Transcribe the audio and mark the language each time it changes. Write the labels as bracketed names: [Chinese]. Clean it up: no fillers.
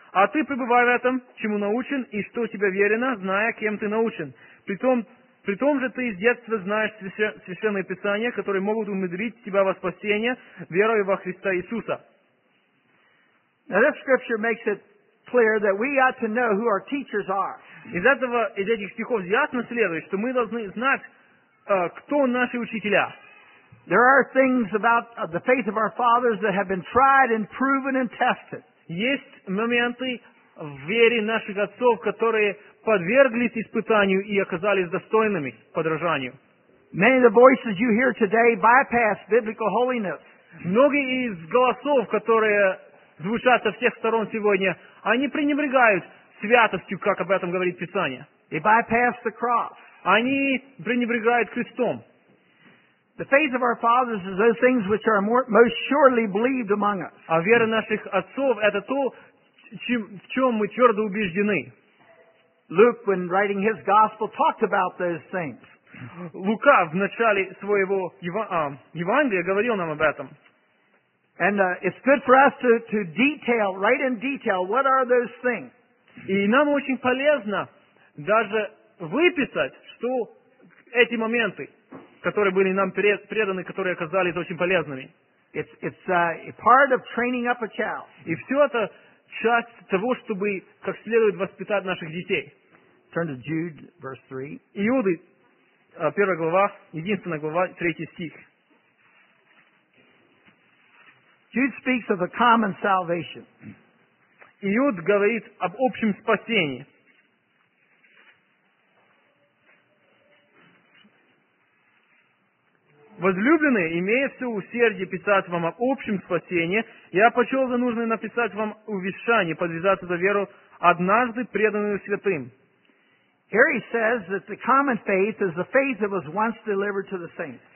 [Russian] А ты пребывай в этом, чему научен, и что тебе верено, зная, кем ты научен. Притом же ты с детства знаешь священные писания, которые могут умудрить тебя во спасение верой во Христа Иисуса. [English] Now this scripture makes it clear that we ought to know who our teachers are. [Russian] Из этих стихов ясно следует, что мы должны знать, кто наши учителя. [English] There are things about the faith of our fathers that have been tried and proven and tested. [Russian] Есть моменты в вере наших отцов, которые подверглись испытанию и оказались достойными подражанию. [English] Many of the voices you hear today bypass biblical holiness. [Russian] Многие из голосов, которые звучат со всех сторон сегодня, они пренебрегают святостью, как об этом говорит Писание. [English] They bypass the cross. [Russian] Они пренебрегают крестом. [English] The faith of our fathers is those things which are most surely believed among us. [Russian] А вера наших отцов — это то, в чем мы твердо убеждены. [English] Luke, when writing his gospel, talked about those things. [Russian] Лука в начале своего Евангелия говорил нам об этом. [English] And it's good for us to detail, write in detail, what are those things. [Russian] И нам очень полезно даже выписать, что эти моменты, которые были нам преданы, которые оказались очень полезными. [English] It's part of training up a child. [Russian] И все это часть того, чтобы как следует воспитать наших детей. [English] Turn to Jude, verse 3. [Russian] Иуды, первая глава, единственная глава, третий стих. [English] Jude speaks of the common salvation. [Russian] Иуд говорит об общем спасении. Возлюбленные, имея все усердие писать вам об общем спасении, я почел за нужное написать вам увещание, подвязаться за веру, однажды преданную святым. [English] Here he says that the common faith is the faith that was once delivered to the saints.